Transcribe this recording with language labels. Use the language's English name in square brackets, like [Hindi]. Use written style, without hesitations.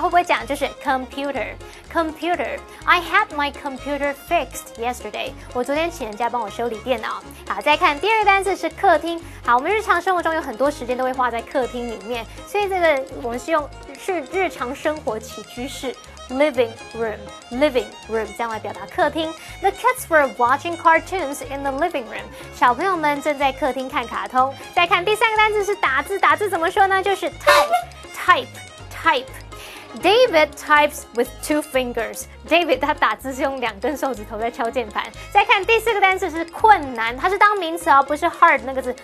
[Chinese] 会不会讲？就是 [English] computer， computer。I had my computer fixed yesterday。 [Chinese] 我昨天请人家帮我修理电脑。好，再看第二个单字是客厅。好，我们日常生活中有很多时间都会花在客厅里面，所以这个我们是用是日常生活起居室。 living room 这样来表达客厅。 [English] The kids were watching cartoons in the living room. [Chinese] 小朋友们正在客厅看卡通。再看第三个单字是打字，打字怎么说呢？就是 [English] type。David types with two fingers. [Chinese] David 他打字是用两根手指头在敲键盘。再看第四个单字是困难，它是当名词哦，不是 hard 那个字。